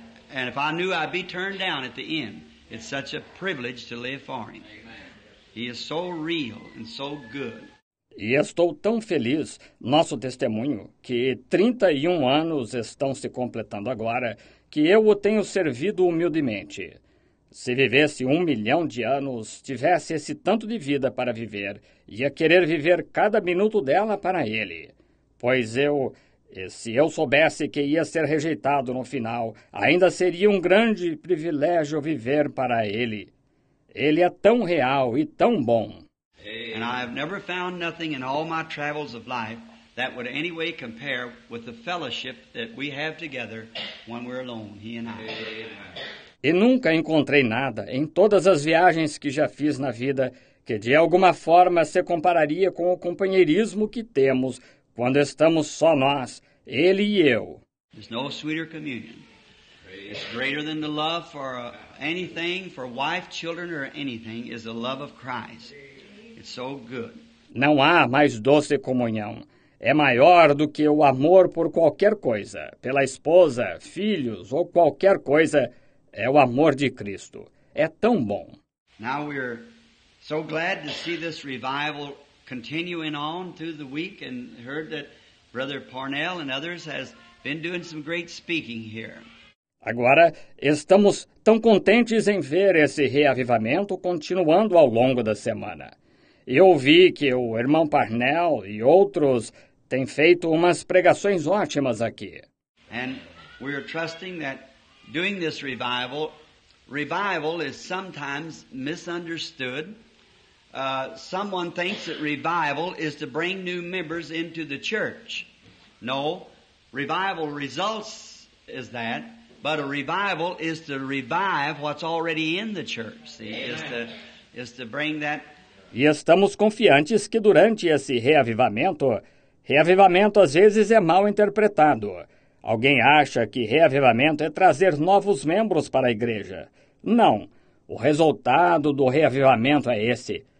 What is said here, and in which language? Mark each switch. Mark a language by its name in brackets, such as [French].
[English] And if I knew I'd be turned down at the end, it's such a privilege to live for him. He is so real and so good. [Portuguese] E estou tão feliz, nosso testemunho, que 31 anos estão se completando agora, que eu o tenho servido humildemente. Se vivesse 1 milhão de anos, tivesse esse tanto de vida para viver, ia querer viver cada minuto dela para ele. Pois se eu soubesse que ia ser rejeitado no final, ainda seria um grande privilégio viver para ele. Ele é tão real e tão bom. [English] And I have never found nothing in all my travels of life that would any way compare with the fellowship that we have together when we're alone, he and I. [Portuguese] E nunca encontrei nada em todas as viagens que já fiz na vida que de alguma forma se compararia com o companheirismo que temos quando estamos só nós, ele e eu. [English] There's no sweeter communion. It's greater than the love for anything, for wife, children or anything, is the love of Christ. It's so good. [Portuguese] Não há mais doce comunhão. É maior do que o amor por qualquer coisa, pela esposa, filhos ou qualquer coisa. É o amor de Cristo. É tão bom. [English] Now we're so glad to see this revival continuing on through the week and heard that Brother Parnell and others has been doing some great speaking here. [Portuguese] Agora, estamos tão contentes em ver esse reavivamento continuando ao longo da semana. Eu vi que o irmão Parnell e outros têm feito umas pregações ótimas aqui. [English] And we are trusting that doing this revival is sometimes misunderstood. Someone thinks that revival is to bring new members into the church. No, revival results is that, but a revival is to revive what's already in the church. See, is to bring that. [Portuguese] E estamos confiantes que durante esse reavivamento às vezes é mal interpretado. Alguém acha que reavivamento é trazer novos membros para a igreja. Não, o resultado do reavivamento é esse.